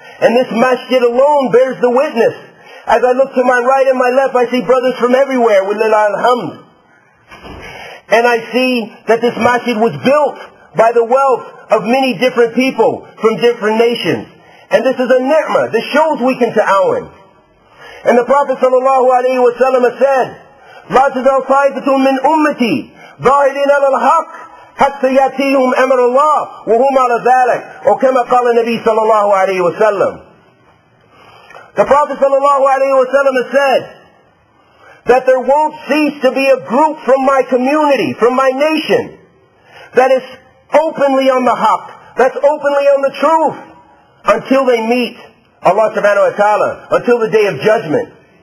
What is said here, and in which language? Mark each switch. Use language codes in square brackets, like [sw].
[en] And this masjid alone bears the witness. As I look to my right and my left, I see brothers from everywhere, walillah alhamd. And I see that this masjid was built by the wealth of many different people from different nations. And this is a ni'mah. This shows we can ta'awun. And the Prophet sallallahu alayhi wa sallam said, [ar] لا تزال طائفة من أمتي ظاهرين على الحق حتى يأتيهم أمر الله وهم على ذلك. Or كما قال النبي صلى الله عليه وسلم. [en] The Prophet [ar] صلى الله عليه وسلم [en] has said that there won't cease to be a group from my community, from my nation, that is openly on the haq, that's openly on the truth, until they meet Allah subhanahu wa ta'ala, until the day of judgment.